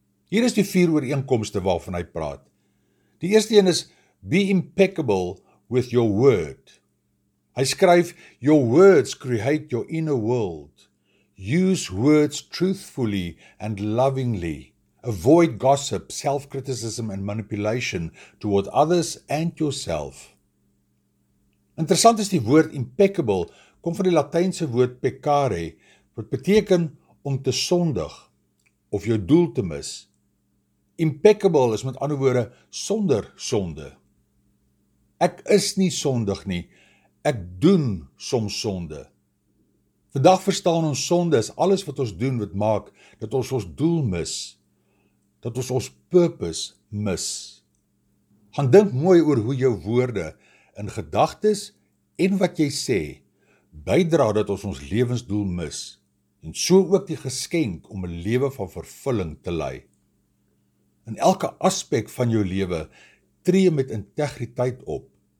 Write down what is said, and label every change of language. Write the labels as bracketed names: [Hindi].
[Afrikaans] Hier is die vier ooreenkomste waarvan hy praat. Die eerste een is, [English] Be impeccable with your word. [Afrikaans] Hy skryf, [English] Your words create your inner world. Use words truthfully and lovingly. Avoid gossip, self-criticism and manipulation toward others and yourself. [Afrikaans] Interessant is die woord impeccable, kom van die Latijnse woord peccare, wat beteken om te sondig of jou doel te mis. Impeccable is met ander woorde sonder sonde. Ek is nie sondig nie, ek doen soms sonde. Vandag verstaan ons sonde is alles wat ons doen wat maak dat ons ons doel mis, dat ons ons purpose mis. Gaan dink mooi oor hoe jou woorde in gedagtes en wat jy sê, bydra dat ons ons lewensdoel mis en so ook die geskenk om 'n lewe van vervulling te lei. In elke aspek van jou lewe tree met integriteit op.